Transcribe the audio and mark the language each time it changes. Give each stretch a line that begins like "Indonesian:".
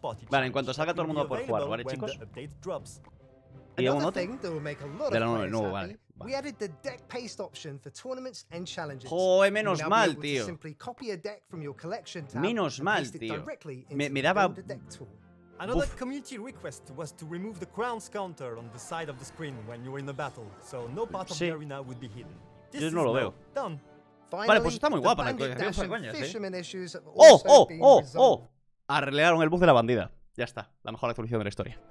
Spanish: Vale, en cuanto salga todo el mundo a poder jugar, ¿vale, chicos? Y aún no tengo. De lo nuevo, vale.
English: We added the deck paste option for tournaments and challenges.
Spanish: Joder, menos mal, tío.
English: Simply copy a deck from your collection tab.
Spanish: Menos mal, tío. Me daba.
English: Another community request was to remove the crown's counter on the side of the screen when you're in a battle, so no part of
Spanish: sí.
English: the arena would be hidden.
Spanish: Yo no lo veo.
English: Done. Finally,
Spanish: vale, pues está muy guapa la cosa.
English: Fisherman issues
Spanish: oh, oh, oh, oh. Arreglaron el bug de la bandida. Ya está, la mejor actualización de la historia.